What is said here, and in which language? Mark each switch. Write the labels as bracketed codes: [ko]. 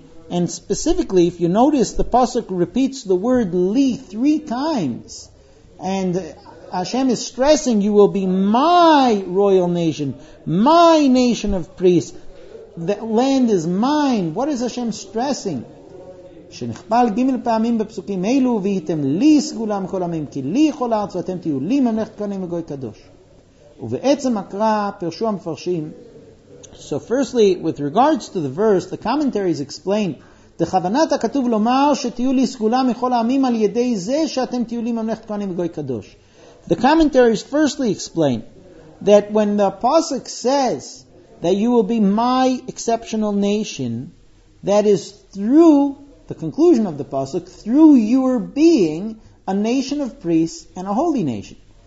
[en] And specifically, if you notice, the Pasuk repeats the word li three times. And Hashem is stressing, you will be my royal nation, my nation of priests. The land is mine. What is Hashem stressing? [he] שנחפל גימל פעמים בפסוקים אלו, ויתם לי סגולה מכל עמים, כי לי כל הארץ, ואתם תהיו לי ממלכת כהנים וגוי קדוש. ובעצם הקרא פרשו המפרשים. [en] So firstly, with regards to the verse, the commentaries explain, [he] דכוונת הכתוב לומר שתהיו לי סגולה מכל העמים על ידי זה שאתם תהיו לי ממלכת כהנים וגוי קדוש. [en] The commentaries firstly explain that when the pasuk says that you will be my exceptional nation, that is through the conclusion of the pasuk, through your being a nation of priests and a holy nation.